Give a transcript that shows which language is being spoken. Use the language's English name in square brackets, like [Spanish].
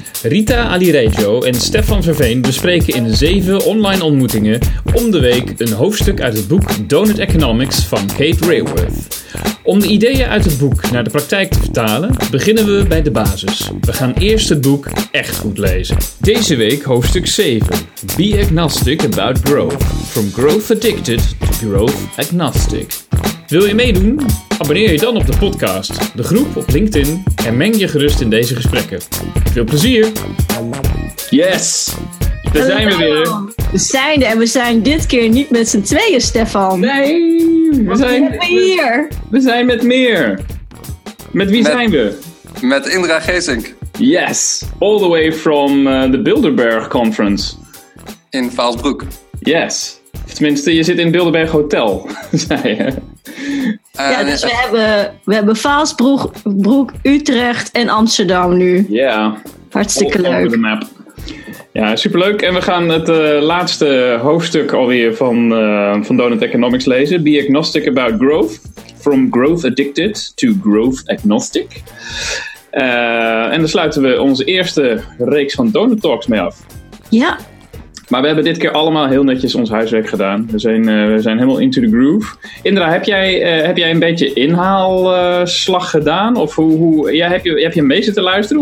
[Dutch] Rita Alireggio en Stefan Verveen bespreken in 7 online ontmoetingen om de week een hoofdstuk uit het boek Donut Economics van Kate Raworth. Om de ideeën uit het boek naar de praktijk te vertalen, beginnen we bij de basis. We gaan eerst het boek echt goed lezen. Deze week hoofdstuk 7. [English] Be agnostic about growth. From growth addicted to growth agnostic. [Dutch] Wil je meedoen? Abonneer je dan op de podcast, de groep op LinkedIn en meng je gerust in deze gesprekken. Veel plezier! Yes! Daar zijn we weer. We zijn er en we zijn dit keer niet met z'n tweeën, Stefan. Nee! We zijn met meer. Met wie zijn we? Met Indra Geesink. [English] Yes! All the way from the Bilderberg Conference. [Dutch] In Vaalsbroek. Yes! Tenminste, je zit in het Bilderberg Hotel, zei je. Ja, dus we hebben Vaalsbroek, Utrecht en Amsterdam nu. Ja. Yeah. Hartstikke [English] all [Dutch] leuk. [English] Over the map. [Dutch] Ja, superleuk. En we gaan het laatste hoofdstuk alweer van Donut Economics lezen. [English] Be agnostic about growth. From growth addicted to growth agnostic. [Dutch] En dan sluiten we onze eerste reeks van Donut Talks mee af. Ja. Maar we hebben dit keer allemaal heel netjes ons huiswerk gedaan. We zijn helemaal [English] into the groove. [Dutch] Indra, heb jij een beetje inhaalslag gedaan? Of heb je mee zitten luisteren?